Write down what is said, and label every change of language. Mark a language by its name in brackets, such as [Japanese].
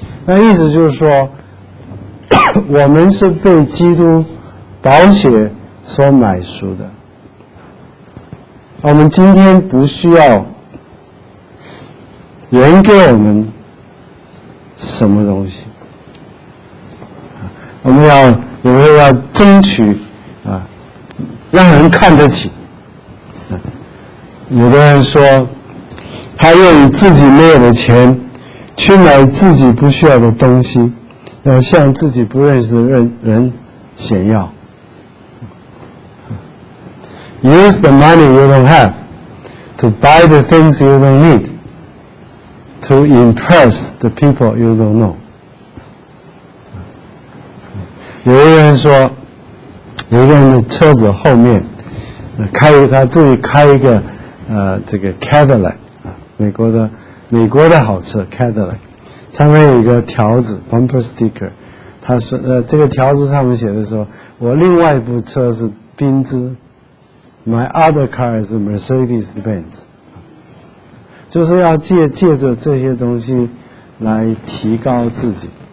[Chinese] 那意思就是说，我们是被基督宝血所买赎的，我们今天不需要人给我们什么东西，我们要有时候要争取让人看得起。有的人说他用自己没有的钱去买自己不需要的东西，要向自己不认识的人炫耀。 [English] Use the money you don't have to buy the things you don't need, to to impress the people you don't know. [Chinese] 有一个人说，有一个人的车子后面，开他自己开一个，这个 Cadillac， 美国的好车 Cadillac， 上面有一个条子 [English] bumper sticker， [Chinese] 他说，这个条子上面写的说，我另外一部车是宾兹 ， [English] my other car is Mercedes Benz， [Chinese] 就是要借着这些东西来提高自己。